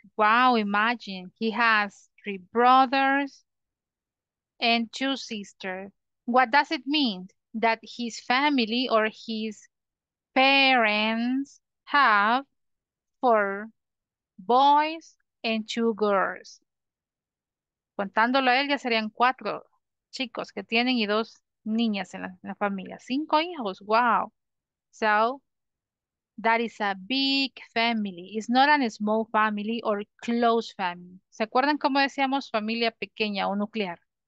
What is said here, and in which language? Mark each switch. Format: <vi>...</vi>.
<en>Wow, imagine. He has three brothers and two sisters. What does it mean that his family or his parents have four boys and two girls?</en> <es>Contándolo a él, ya serían cuatro chicos que tienen y dos niñas en la familia. Cinco hijos.</es> <en>Wow. So, that is a big family. It's not a small family or close family.</en> <es>¿Se acuerdan cómo decíamos familia pequeña o nuclear?</es>